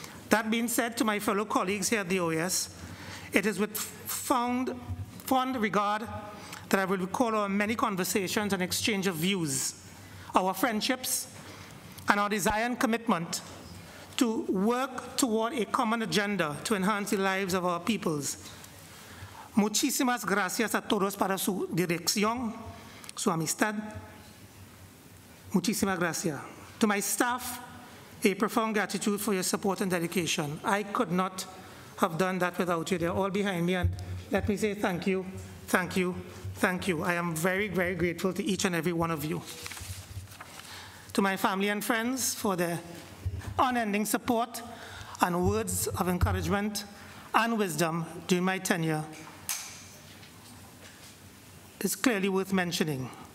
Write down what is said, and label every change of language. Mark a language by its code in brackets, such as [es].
[en] That being said, to my fellow colleagues here at the OAS, it is with fond regard that I will recall our many conversations and exchange of views, our friendships, and our desire and commitment to work toward a common agenda to enhance the lives of our peoples. [es] Muchísimas gracias a todos para su dirección, su amistad. Muchísimas gracias. [en] To my staff, a profound gratitude for your support and dedication. I could not have done that without you. They're all behind me, and let me say thank you, thank you, thank you. I am very, very grateful to each and every one of you. To my family and friends for their unending support and words of encouragement and wisdom during my tenure is clearly worth mentioning.